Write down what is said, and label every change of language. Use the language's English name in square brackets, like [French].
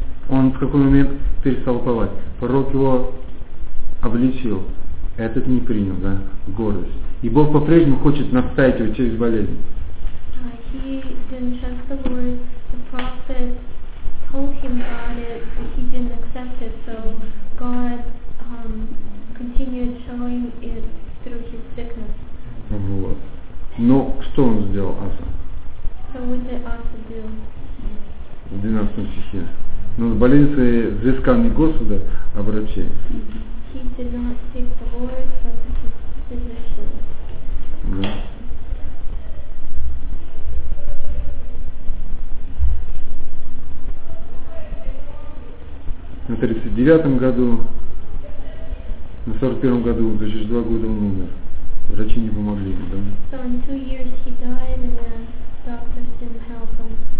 [Russian] Он в какой момент перестал уповать? Пророк его обличил. Этот не принял, да? Гордость. И Бог по-прежнему хочет наставить его через болезнь. [English] He didn't trust the word. The prophet told him about it, but he didn't accept it. So God continued showing it through his sickness. [Russian] Вот. Но что он сделал, Аса? [English] So what did Asa do? [Russian] В 12 стихе. Но с болезнью своей взыскал не Господа, а врачей. [English] He did not seek the Lord, but his physician. [Russian] Да. На 39-м году, на 41-м году, да, через 2 года он умер. Врачи не помогли ему, да? [English] So in 2 years he died and the doctors didn't help him.